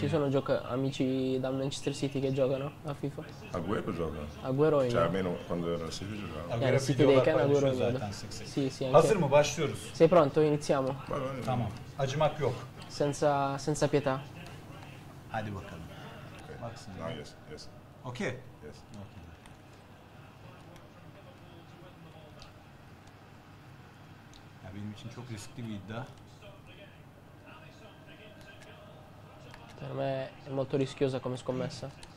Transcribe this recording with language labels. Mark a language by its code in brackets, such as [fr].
[it] Ci sono gioca amici da Manchester City che giocano a FIFA. Agüero gioca. [tr] Agüero oynuyor. [it] Cioè almeno quando era City giocava. [tr] Yani City'deyken Agüero oynuyordu. [it] Sì, sì, anche. [tr] Hazır mı? Başlıyoruz. [it] Sei pronto? Iniziamo. [tr] Tamam. Acımak yok. [it] Senza pietà. [tr] Hadi bakalım. [en] Yes. Okay. Yes. Okay. [tr] Ya benim için çok riskli bir iddia. [it] Per me è molto rischiosa come scommessa.